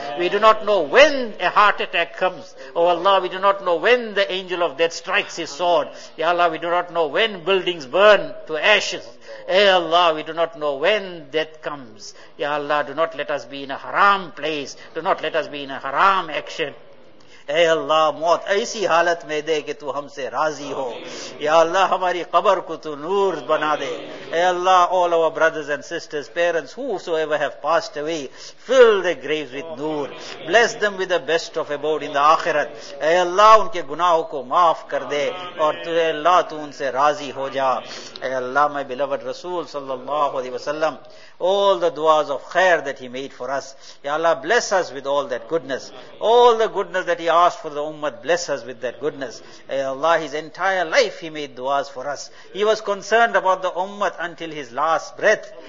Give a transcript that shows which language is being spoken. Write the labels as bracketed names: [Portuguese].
[English] We do not know when a heart attack comes. Oh Allah, we do not know when the angel of death strikes his sword. Ya Allah, we do not know when buildings burn to ashes. Ya Allah, we do not know when death comes. Ya Allah, do not let us be in a haram place. Do not let us be in a haram action. [Urdu] اے اللہ موت ایسی حالت میں دے کہ تو ہم سے راضی ہو. یا اللہ ہماری قبر کو تو نور بنا دے. [English] اے Allah, all our brothers and sisters, parents, whosoever have passed away, fill their graves with نور. Bless them with the best of abode in the آخرت. [Urdu] اے اللہ ان کے گناہوں کو معاف کر دے اور تو اے اللہ تو ان سے راضی ہو جا. [English] اے Allah, my beloved رسول صلی اللہ علیہ وسلم, all the duas of khair that he made for us, Ya Allah, bless us with all that goodness. All the goodness that he asked for the ummah, bless us with that goodness. Ya Allah, his entire life he made duas for us. He was concerned about the ummah until his last breath.